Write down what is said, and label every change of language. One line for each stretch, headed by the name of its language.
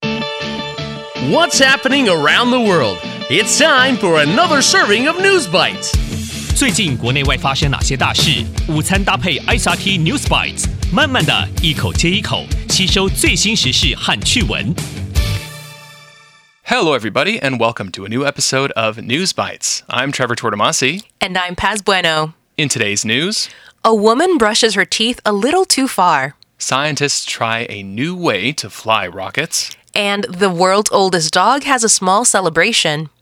English: What's happening around the world? It's time for another serving of News Bites.
Chinese: 最近国内外发生哪些大事？午餐搭配 SRT News Bites， 慢慢的一口接一口，吸收最新时事和趣闻。
English: Hello, everybody, and welcome to a new episode of News Bites. I'm Trevor Tortomasi. And I'm Paz Bueno. In today's news, a woman brushes her teeth a little too far. Scientists try a new way to fly rockets. And the world's oldest dog has a small celebration.